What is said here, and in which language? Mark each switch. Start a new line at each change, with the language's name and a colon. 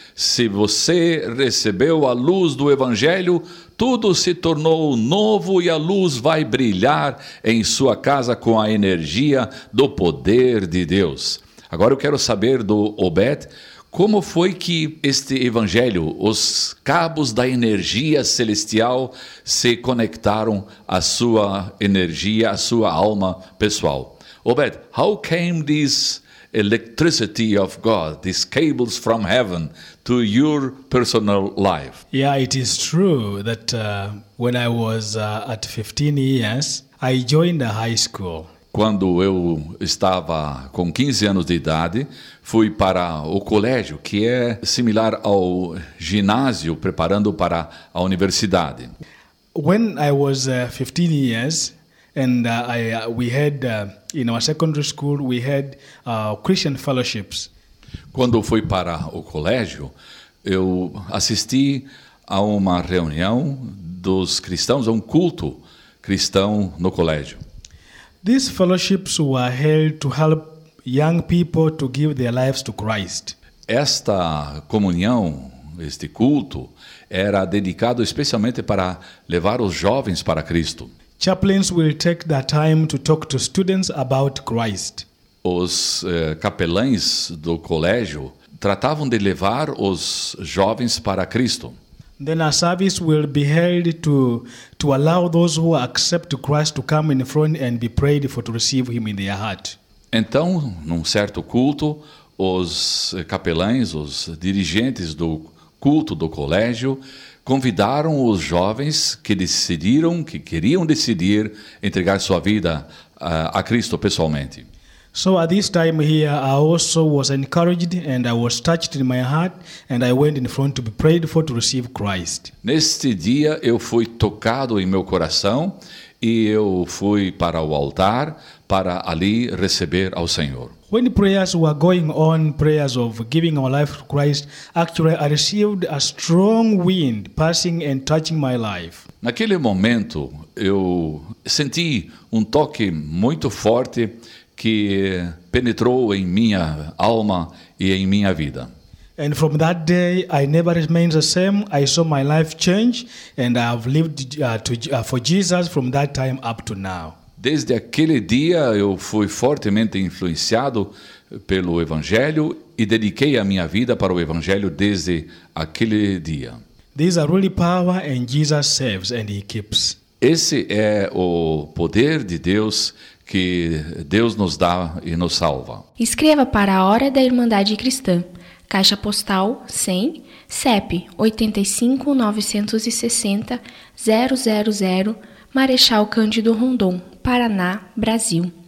Portuguese: Se você recebeu a luz do Evangelho, tudo se tornou novo e a luz vai brilhar em sua casa com a energia do poder de Deus. Agora eu quero saber do Obed, como foi que este evangelho, os cabos da energia celestial, se conectaram à sua energia, à sua alma pessoal.
English: Obed, how came this electricity of God, these cables from heaven, to your personal life? Yeah, it is true that when I was at 15 years, I joined a high school.
Portuguese: Quando eu estava com 15 anos de idade, fui para o colégio, que é similar ao ginásio, preparando para a universidade.
English: When I was 15 years and we had in our secondary school we had Christian fellowships.
Portuguese: Quando fui para o colégio, eu assisti a uma reunião dos cristãos, a um culto cristão no colégio.
English: These fellowships were held to help young people to give their lives to Christ.
Portuguese: Esta comunhão, este culto, era dedicado especialmente para levar os jovens para Cristo.
English: Chaplains will take the time to talk to students about Christ.
Portuguese: Os capelães do colégio tratavam de levar os jovens para Cristo.
English: Then a service will be held to allow those who accept Christ to come in front and be prayed for to receive him in their heart.
Portuguese: Então, num certo culto, os capelães, os dirigentes do culto do colégio, convidaram os jovens que decidiram, que queriam decidir entregar sua vida a Cristo pessoalmente.
English: So at this time here, I also was encouraged and I was touched in my heart and I went in front to be prayed for to receive Christ.
Portuguese: Neste dia eu fui tocado em meu coração e eu fui para o altar para ali receber ao Senhor.
English: When prayers were going on, prayers of giving our life to Christ, actually I received a strong wind passing and touching my life.
Portuguese: Naquele momento eu senti toque muito forte que penetrou em minha alma e em minha vida.
English: And from that day I never remained the same. I saw my life change and I've lived for Jesus from that time up to now.
Portuguese: Desde aquele dia eu fui fortemente influenciado pelo evangelho e dediquei a minha vida para o evangelho desde aquele dia.
English: These are really power and Jesus saves and he keeps.
Portuguese: Esse é o poder de Deus que Deus nos dá e nos salva. Escreva para a Hora da Irmandade Cristã, Caixa Postal 100, CEP 85960-000, Marechal Cândido Rondon, Paraná, Brasil.